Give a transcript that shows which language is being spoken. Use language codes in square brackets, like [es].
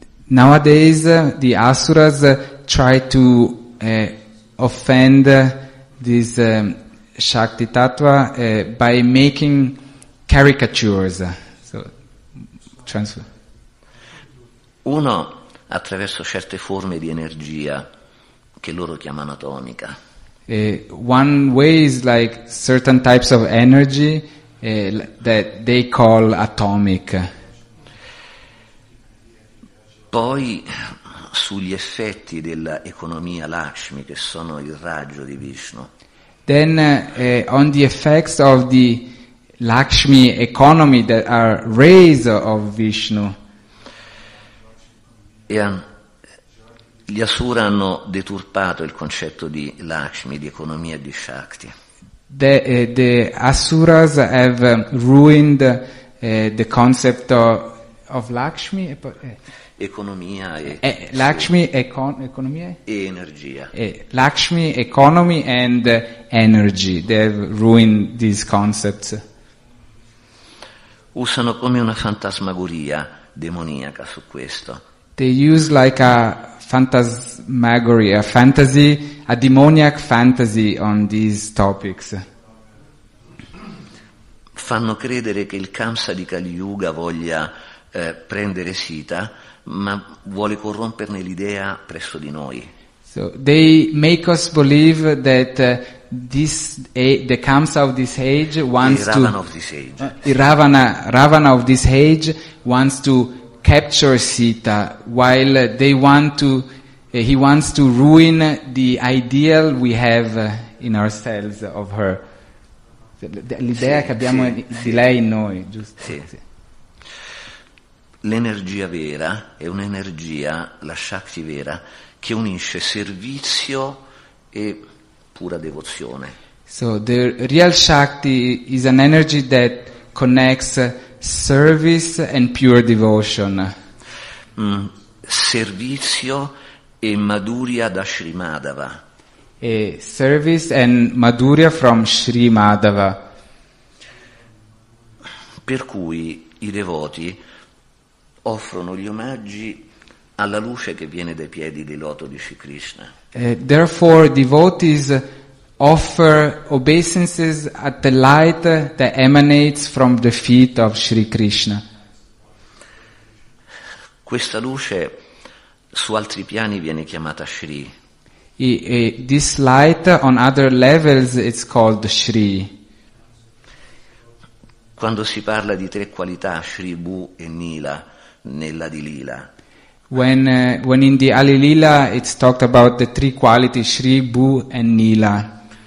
[en] Nowadays the Asuras try to offend this Shakti Tattva by making caricatures. So, transfer. [it] Uno attraverso certe forme di energia che loro chiamano atomica. [en] One way is like certain types of energy that they call atomic. [it] Poi sugli effetti dell'economia Lakshmi, che sono il raggio di Vishnu. [en] Then on the effects of the Lakshmi economy that are rays of Vishnu. [it] Gli Asura hanno deturpato il concetto di Lakshmi, di economia e di Shakti. [en] The Asuras have ruined the concept of Lakshmi. Lakshmi economy and energy. They have ruined these concepts. [it] Usano come una fantasmagoria demoniaca su questo. [en] They use like a fantasmagory, a fantasy, a demoniac fantasy on these topics. [it] Fanno credere che il Kamsa di Kali Yuga voglia prendere Sita, ma vuole corromperne l'idea presso di noi. [en] So they make us believe that the Kamsa of this age wants to Ravana of this age wants to capture Sita, while he wants to ruin the ideal we have in ourselves of her. [it] L'idea che abbiamo di lei in noi, giusto? Sì. Sì. L'energia vera è un'energia, la Shakti vera, che unisce servizio e pura devozione. [en] So the real Shakti is an energy that connects service and pure devotion. [it] Servizio e madhurya da Sri Madhava. [en] E service and madhurya from Sri Madhava. [it] Per cui i devoti offrono gli omaggi alla luce che viene dai piedi del loto di Sri Krishna. [en] Therefore devotees offer obeisances at the light that emanates from the feet of Sri Krishna. [it] Questa luce su altri piani viene chiamata Sri. [en] This light on other levels it's called Sri. [it] Quando si parla di tre qualità, Sri, Bhu e Nila, nella Dilila. [en] When in the Alilila it's talked about the three qualities, Sri, Bhu and Nila.